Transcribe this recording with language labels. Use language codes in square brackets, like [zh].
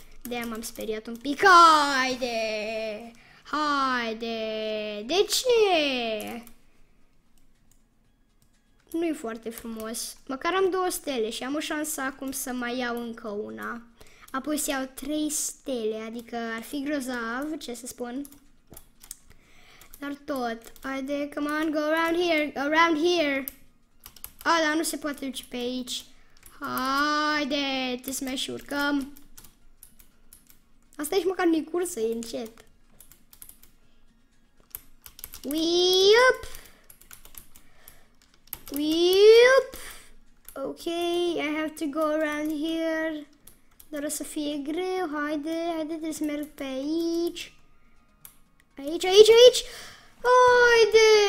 [ro] De-aia m-am speriat un pic. Haide! Haide! De ce? Nu e foarte frumos. Măcar am 2 stele și am o șansă acum să mai iau încă una. Apoi să iau 3 stele, adică ar fi grozav, ce să spun. Dar tot. Haide, [en] come on, go around here, around here. [ro] Ah, dar nu se poate duce pe aici. Haide, te să mai și urcăm. Asta e și măcar nu-i cursă, e încet. Weep! Weep! [en] Ok, I have to go around here. [ro] Dar o să fie greu, haide, haide, trebuie să merg pe aici. Aici, aici, aici! Haide!